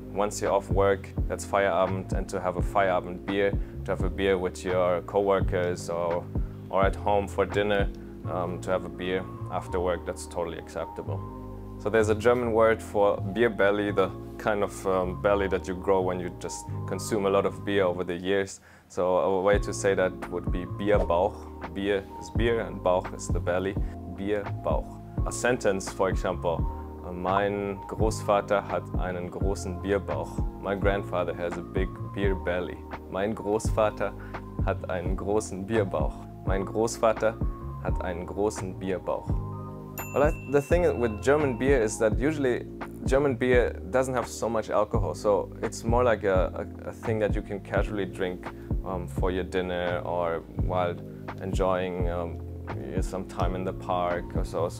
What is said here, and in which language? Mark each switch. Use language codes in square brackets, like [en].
[en] Once you're off work, that's Feierabend, and to have a Feierabendbier, to have a beer with your co-workers or at home for dinner, to have a beer after work, that's totally acceptable. So there's a German word for beer belly, the kind of belly that you grow when you just consume a lot of beer over the years. So a way to say that would be Bierbauch. Bier is beer and Bauch is the belly. [de] Bierbauch. [en] A sentence, for example, [de] mein Großvater hat einen großen Bierbauch. [en] My grandfather has a big beer belly. [de] Mein Großvater hat einen großen Bierbauch. Mein Großvater hat einen großen Bierbauch. [en] Well, the thing with German beer is that usually German beer doesn't have so much alcohol, so it's more like a thing that you can casually drink for your dinner or while enjoying some time in the park or so.